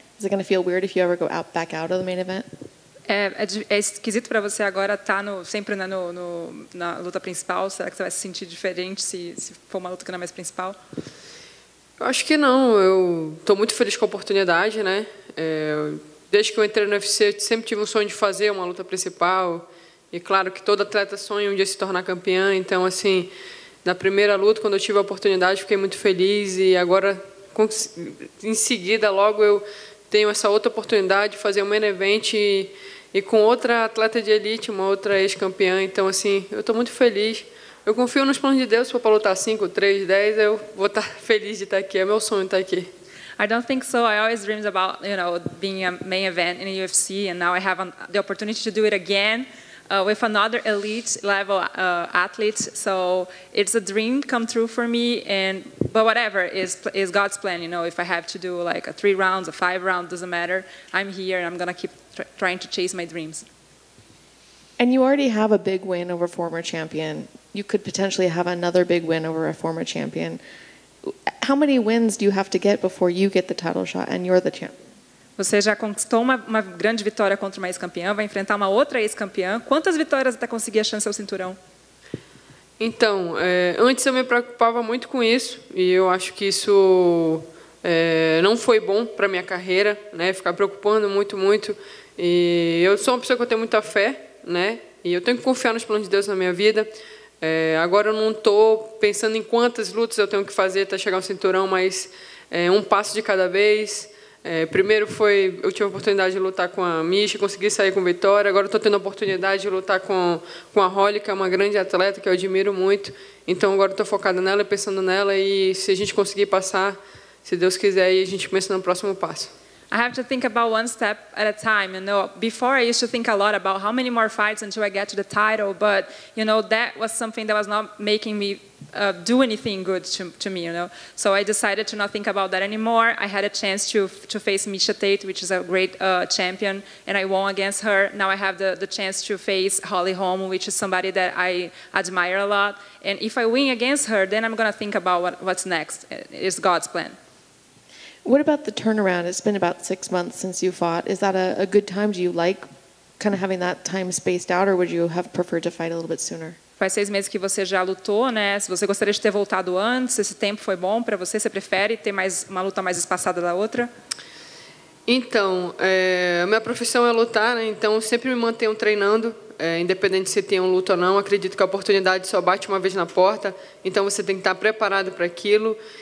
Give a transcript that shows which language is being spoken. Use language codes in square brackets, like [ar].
[en] Is it going to feel weird if you ever go out back out of the main event? [pt] É esquisito para você agora estar sempre na luta principal. Será que você vai se sentir diferente se for uma luta que não é mais principal? Eu acho que não. Eu estou muito feliz com a oportunidade, né? Desde que eu entrei no UFC, eu sempre tive um sonho de fazer uma luta principal. E claro que todo atleta sonha um dia se tornar campeã. Então, assim, na primeira luta, quando eu tive a oportunidade, fiquei muito feliz. E agora, em seguida, logo eu tenho essa outra oportunidade de fazer um main event e com outra atleta de elite, uma outra ex-campeã. Então, assim, eu estou muito feliz. Eu confio nos planos de Deus. Se for para lutar 5, 3, 10, eu vou estar feliz de estar aqui. É meu sonho estar aqui. [en] I don't think so. I always dreamed about, you know, being a main event in a UFC, and now I have the opportunity to do it again with another elite level athlete. So it's a dream come true for me. But whatever is God's plan. You know, if I have to do like a 3 rounds, a 5 rounds, doesn't matter. I'm here, and I'm gonna keep trying to chase my dreams. And you already have a big win over a former champion. You could potentially have another big win over a former champion. How many wins do you have to get before you get the title shot and you're the champ? [pt] Você já conquistou uma grande vitória contra uma ex-campeã, vai enfrentar uma outra ex-campeã. Quantas vitórias até conseguir a chance ao cinturão? Então, antes eu me preocupava muito com isso e eu acho que isso não foi bom para minha carreira, né? Ficar preocupando muito. E eu sou uma pessoa que eu tenho muita fé, né? E eu tenho que confiar nos planos de Deus na minha vida. Agora eu não estou pensando em quantas lutas eu tenho que fazer até chegar ao cinturão, mas um passo de cada vez. Primeiro foi, eu tive a oportunidade de lutar com a Misha, consegui sair com vitória. Agora estou tendo a oportunidade de lutar com a Holly, que é uma grande atleta que eu admiro muito. Então agora estou focada nela, pensando nela, e se a gente conseguir passar, se Deus quiser, aí a gente começa no próximo passo. [en] I have to think about one step at a time. You know, before I used to think a lot about how many more fights until I get to the title, but you know, that was something that was not making me do anything good to me, you know. So I decided to not think about that anymore. I had a chance to face Misha Tate, which is a great champion, and I won against her. Now I have the chance to face Holly Holm, which is somebody that I admire a lot. And if I win against her, then I'm gonna think about what's next. It's God's plan. What about the turnaround? It's been about 6 months since you fought. Is that a good time? Do you like kind of having that time spaced out, or would you have preferred to fight a little bit sooner? [pt] Faz 6 meses que você já lutou, né? Se você gostaria de ter voltado antes, esse tempo foi bom para você? Você prefere ter mais uma luta mais espaçada da outra? Então, a minha profissão é lutar, né? Então eu sempre me mantenho treinando, independente se tem uma luta ou não. Acredito que a oportunidade só bate uma vez na porta, então você tem que estar preparado para aquilo.